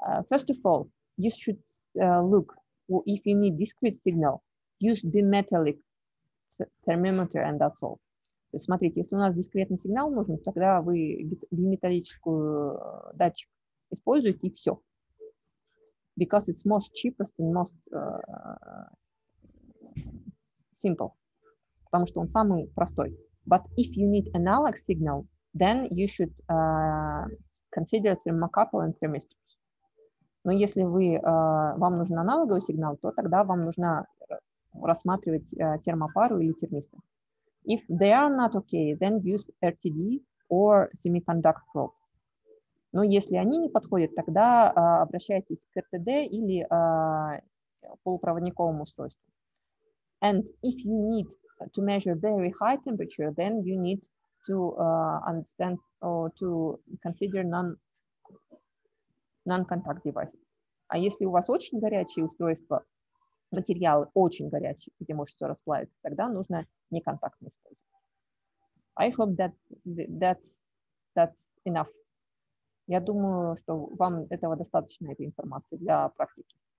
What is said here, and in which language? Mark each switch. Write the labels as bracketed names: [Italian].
[English] First of all, you should look, if you need discrete signal, use bimetallic thermometer, and that's all. [Russian] То есть смотрите, если у нас дискретный сигнал нужен, тогда вы биметаллическую датчик используете, и все. [English] Because it's most cheapest and most simple. [Russian] Потому что он самый простой. [English] But if you need analog signal, then you should consider thermocouple and thermistors. [Russian] Но если вы, вам нужен аналоговый сигнал, то тогда вам нужно рассматривать термопару или термистор. [English] If they are not okay, then use RTD or semiconductor probe. [Russian] Но если они не подходят, тогда обращайтесь к РТД или полупроводниковому устройству. [English] And if you need to measure very high temperature, then you need to understand or to consider non-contact devices. [Russian] А если у вас очень горячие устройства, материалы очень горячие, где может все расплавиться, тогда нужно неконтактные использовать. [English] I hope that's enough. [Russian] Я думаю, что вам этого достаточно, этой информации для практики.